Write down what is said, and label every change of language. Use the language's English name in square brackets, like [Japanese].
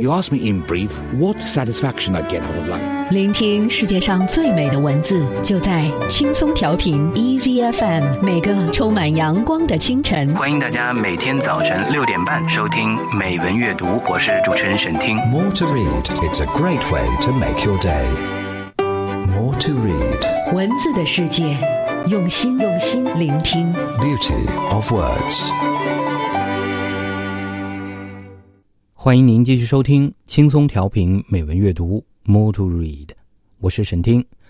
[English] You ask me in brief what satisfaction I get out of life. [Chinese] 聆听世界上最美的文字，就在轻松调频 EZFM， 每个充满阳光的清晨。欢迎大家每天早晨6:30收听美文阅读，我是主持人沈听。 [English] More to read, it's a great way to make your day. To read. [Chinese] 文字的世界，用心用心聆听。 [English] Beauty of words. [Chinese] 欢迎您继续收听轻松调频美文阅读 [English] More to read. [Chinese] 我是沈听。